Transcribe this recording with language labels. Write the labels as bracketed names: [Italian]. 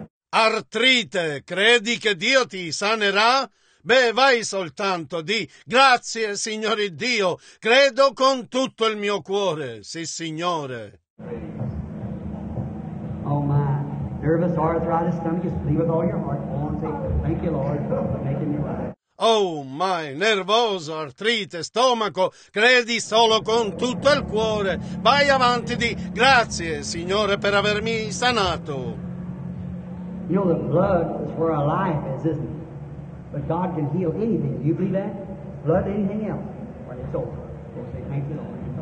[Italian] Artrite, credi che Dio ti sanerà? Beh, vai soltanto, di grazie, Signore Dio, credo con tutto il mio cuore, sì, Signore. [English] Oh, my, nervous arthritis, stomach, just believe with all your heart. Go on, say, thank you, Lord, for making me right. Oh, my, [Italian] nervoso, artrite, stomaco, credi solo con tutto il cuore. Vai avanti, di grazie, Signore, per avermi sanato. [English] You know, the blood is where our life is, isn't it? But God can heal anything. Do you believe that? Blood, anything else. When it's over, we'll say, thank you, Lord.